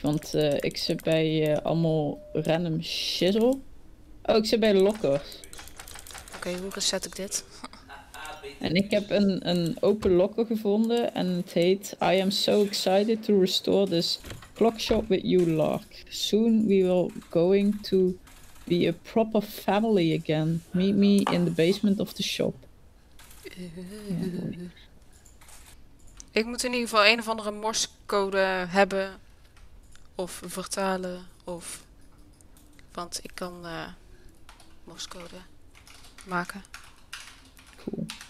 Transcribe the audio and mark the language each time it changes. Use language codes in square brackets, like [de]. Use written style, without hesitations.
[nl] Want ik zit bij allemaal random shizzle. Oh, ik zit bij de lockers. Oké, hoe reset ik dit? En ik heb een open locker gevonden en het heet [en] I am so excited to restore this clock shop with you, Lark. Soon we will going to be a proper family again. Meet me in the basement of the shop. [nl] Ik moet in ieder geval een of andere morsecode hebben of vertalen of... Want ik kan morsecode maken. Cool.